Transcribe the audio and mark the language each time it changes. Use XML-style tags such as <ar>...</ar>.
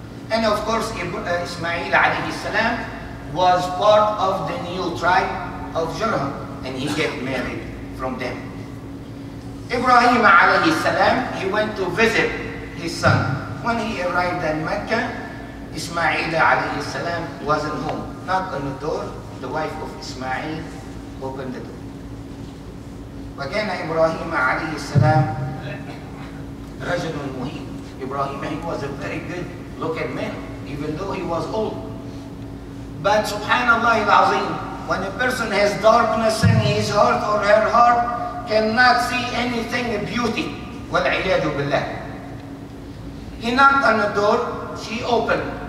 <en>And of course, Ismail alayhi salam was part of the new tribe of Jurhum, and he get married from them. Ibrahim عليه السلام, he went to visit his son. When he arrived in Mecca, Ismail عليه السلام wasn't home. Knock on the door, the wife of Ismail opened the door.</en> <ar>وكان إبراهيم عليه السلام رجل مهيب.</ar> <en>إبراهيم, he was a very good looking man, even though he was old. But</en> <ar>سبحان الله العظيم,</ar> <en>when a person has darkness in his heart or her heart, cannot see anything beauty.</en> <ar>والعياذ بالله.</ar> <en>He knocked on the door, she opened.</en>